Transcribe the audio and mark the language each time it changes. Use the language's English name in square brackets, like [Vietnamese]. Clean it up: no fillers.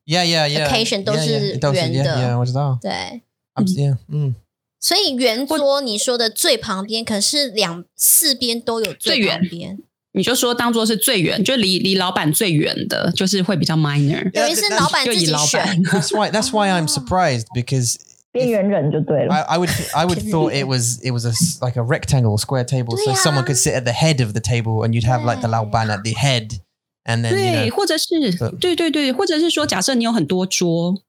[English] yeah, yeah, yeah. [Chinese] occasion 都是圆的 [English] yeah, yeah. Yeah, yeah, [Chinese] 我知道对 [English] yeah,、 [Chinese] 所以圆桌你说的最旁边可是两四边都有最旁边你就说当做是最远就离老板最远的就是会比较 minor 等于是老板自己选 [English] that's why I'm surprised becauseI would thought it was a, like a rectangle square table、啊、 so someone could sit at the head of the table and you'd have like the 老板 at the headAnd then, [Chinese] 对 [English] you know, [Chinese] 或者是 so, 对对对或者是说假设你有很多桌、